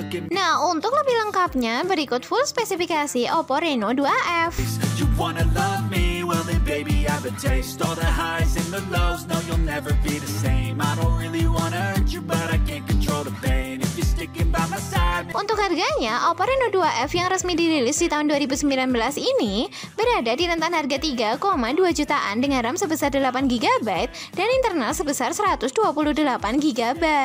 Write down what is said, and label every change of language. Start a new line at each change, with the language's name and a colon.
Indonesian: Nah, untuk lebih lengkapnya, berikut full spesifikasi Oppo Reno 2F.
English: Wanna love me? Well then baby I have a taste. All the highs and the lows, no you'll never be the same. I don't really wanna hurt you, but I can't control the pain. If you're sticking by my side.
Indonesian: Untuk harganya, Oppo Reno 2F yang resmi dirilis di tahun 2019 ini berada di rentang harga 3,2 jutaan dengan RAM sebesar 8GB dan internal sebesar 128GB.